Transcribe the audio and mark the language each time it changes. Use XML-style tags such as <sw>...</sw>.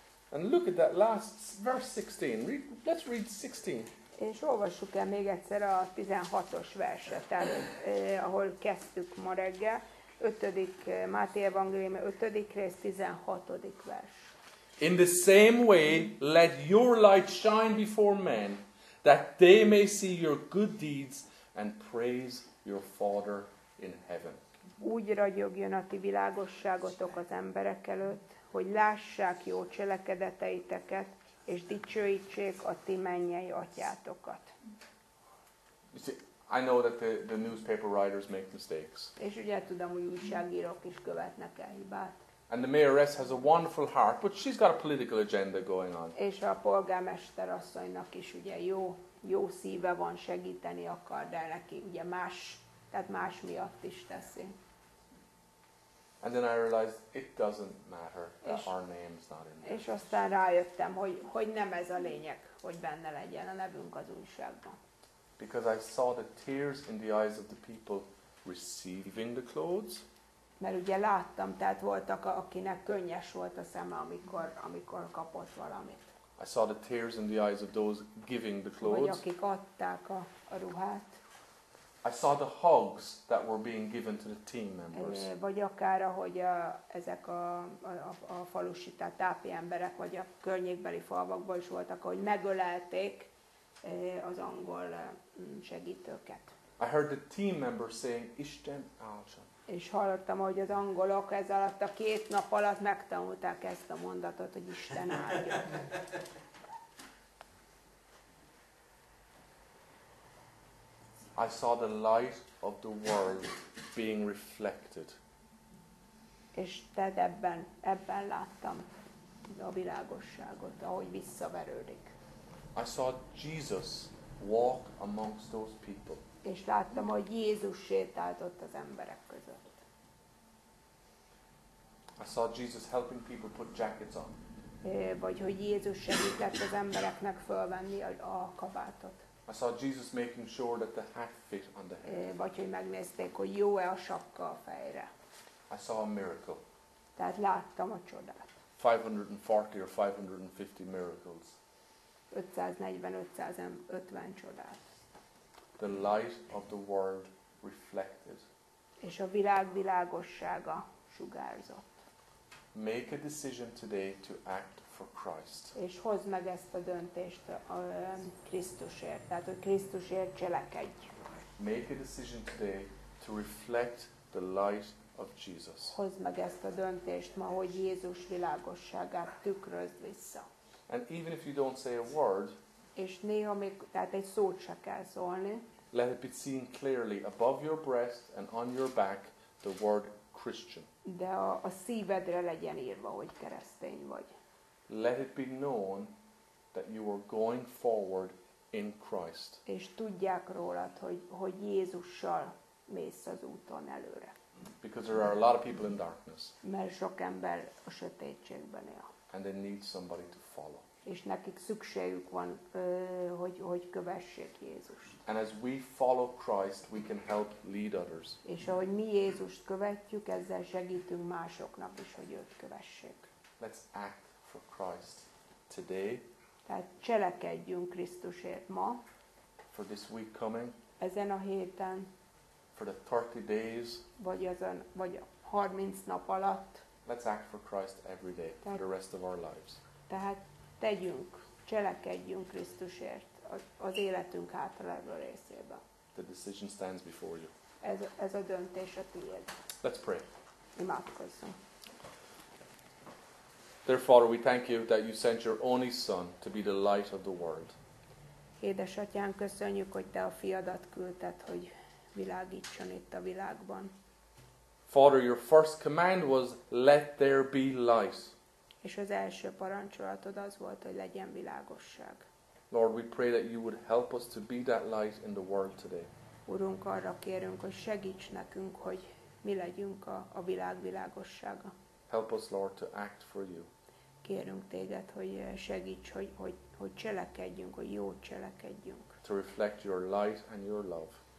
<en>And look at that last verse 16. Let's read 16.</en> <hu>És olvassuk el még egyszer a 16-os verset, ahol kezdtük ma reggel. 5. Máté evangéliuma 5. rész 16. vers.</hu> <en>In the same way, let your light shine before men, that they may see your good deeds and praise your Father in heaven.</en> <hu>Úgy ragyogjon a ti világosságotok az emberek előtt, hogy lássák jó cselekedeteiteket, és dicsőítsék a ti mennyei atyátokat.</hu> <en>You see, I know that the newspaper writers make mistakes.</en> <hu>És ugye tudom, hogy újságírók is követnek el hibát.</hu> <en>And the mayoress has a wonderful heart, but she's got a political agenda going on.</en> <hu>És a polgármester asszonynak is ugye jó szíve van, segíteni akar, de neki ugye más miatt is teszi.</hu> <en>And then I realized it doesn't matter that our name's not in there.</en> <hu>És aztán rájöttem, hogy nem ez a lényeg, hogy benne legyen a nevünk az újságban.</hu> <en>Because I saw the tears in the eyes of the people receiving the clothes.</en> <hu>Mert ugye láttam, tehát voltak, akinek könnyes volt a szeme, amikor kapott valamit.</hu> <en>I saw the tears in the eyes of those giving the clothes.</en> <hu>Vagy akik adták a ruhát.</hu> <en>I saw the hugs that were being given to the team members.</en> <hu>Vagy akár, ahogy ezek a falusi, tehát tápi emberek, vagy a környékbeli falvakból is voltak, ahogy megölelték az angol segítőket.</hu> <en>I heard the team members saying,</en> <hu>Isten áldjon. És hallottam, hogy az angolok ez alatt a két nap alatt megtanulták ezt a mondatot, hogy Isten áldjon.</hu> <en>I saw the light of the world being reflected.</en> <hu>És tehát ebben láttam a világosságot, ahogy visszaverődik.</hu> <en>I saw Jesus walk amongst those people.</en> <hu>És láttam, hogy Jézus sétált ott az emberek között.</hu> <en>I saw Jesus helping people put jackets on.</en> <hu>Vagy hogy Jézus segített az embereknek fölvenni a kabátot.</hu> <en>I saw Jesus making sure that the hat fit on the head.</en> <hu>Vagy hogy megnézték, hogy jó-e a sapka a fejre.</hu> <en>I saw a miracle.</en> <hu>Tehát láttam a csodát.</hu> <en>540 or 550 miracles.</en> <hu>540-550 csodát.</hu> <en>The light of the world reflected.</en> <hu>És a világ világossága sugárzott.</hu> <en>Make a decision today to act for Christ.</en> <hu>És hozd meg ezt a döntést Krisztusért, tehát hogy Krisztusért cselekedj.</hu> <en>Make a decision today to reflect the light of Jesus.</en> <hu>Hozd meg ezt a döntést ma, hogy Jézus világosságát tükrözd vissza.</hu> <en>And even if you don't say a word,</en> <hu>és néha még, tehát egy szót se kell szólni,</hu> <en>let it be seen clearly above your breast and on your back the word Christian.</en> <hu>De a szívedre legyen írva, hogy keresztény vagy.</hu> <en>Let it be known that you are going forward in Christ.</en> <hu>És tudják rólad, hogy Jézussal mész az úton előre.</hu> <en>Because there are a lot of people in darkness.</en> <hu>Mert sok ember a sötétségben él.</hu> <en>And they need somebody to follow.</en> <hu>És nekik szükségük van, hogy kövessék Jézust.</hu> <en>And as we follow Christ, we can help lead others.</en> <hu>És ahogy mi Jézust követjük, ezzel segítünk másoknak is, hogy őt kövessék.</hu> <en>Let's act for Christ today.</en> <hu>Tehát cselekedjünk Krisztusért ma.</hu> <en>For this week coming.</en> <hu>Ezen a héten.</hu> <en>For the 30 days.</en> <hu>Vagy 30 nap alatt.</hu> <en>Let's act for Christ every day for the rest of our lives.</en> <hu>Tehát tegyünk, cselekedjünk Krisztusért az életünk hátralevő részében.</hu> <en>The decision stands before you.</en> <hu>Ez a döntés a tiéd.</hu> <en>Let's pray.</en> <hu>Imádkozzunk.</hu> <en>Dear Father, we thank you that you sent your only Son to be the light of the world.</en> <hu>Édesatyám, köszönjük, hogy te a fiadat küldted, hogy világítson itt a világban.</hu> <en>Father, your first command was, let there be light.</en> <hu>És az első parancsolatod az volt, hogy legyen világosság.</hu> <en>Lord, we pray that you would help us to be that light in the world today.</en> <hu>Urunk, arra kérünk, hogy segíts nekünk, hogy mi legyünk a világ világossága.</hu> <en>Help us, Lord, to act for you.</en> <hu>Kérünk téged, hogy segíts, hogy cselekedjünk, hogy jó cselekedjünk.</hu> <en>To reflect your light and your love.</en>